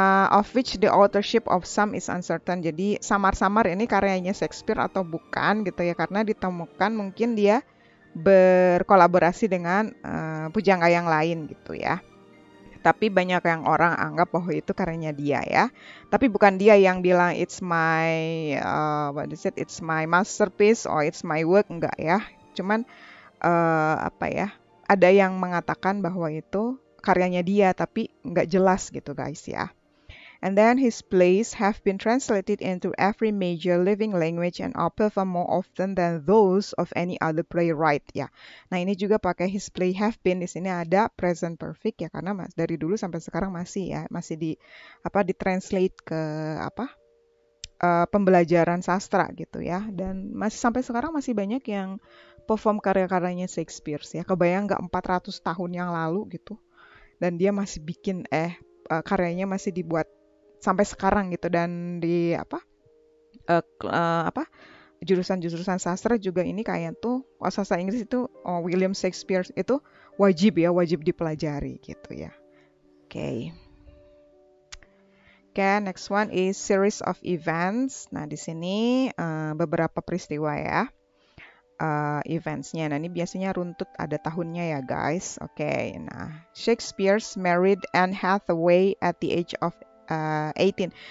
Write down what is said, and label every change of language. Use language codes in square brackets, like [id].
[en] Of which the authorship of some is uncertain. [id] Jadi samar-samar ini karyanya Shakespeare atau bukan gitu ya, karena ditemukan mungkin dia berkolaborasi dengan pujangga yang lain gitu ya. Tapi banyak yang orang anggap bahwa itu karyanya dia ya. Tapi bukan dia yang bilang [en] it's my what is it? It's my masterpiece or it's my work, [id] enggak ya. Cuman apa ya? Ada yang mengatakan bahwa itu karyanya dia, tapi enggak jelas gitu guys ya. And then his plays have been translated into every major living language and are performed more often than those of any other playwright. Ya, nah ini juga pakai [en] his play have been, [id] di sini ada present perfect ya, karena dari dulu sampai sekarang masih ya, masih di apa, ditranslate ke apa pembelajaran sastra gitu ya, dan masih sampai sekarang masih banyak yang perform karya-karyanya Shakespeare ya. Kebayang nggak 400 tahun yang lalu gitu, dan dia masih bikin karyanya masih dibuat sampai sekarang gitu, dan di apa apa jurusan-jurusan sastra juga ini kayak tuh sastra Inggris itu William Shakespeare itu wajib ya, wajib dipelajari gitu ya. [en] Okay, next one is series of events. [id] Nah, di sini beberapa peristiwa ya, events-nya. Nah, ini biasanya runtut ada tahunnya ya, guys. [en] Okay. Nah, Shakespeare's married Anne Hathaway at the age of 18.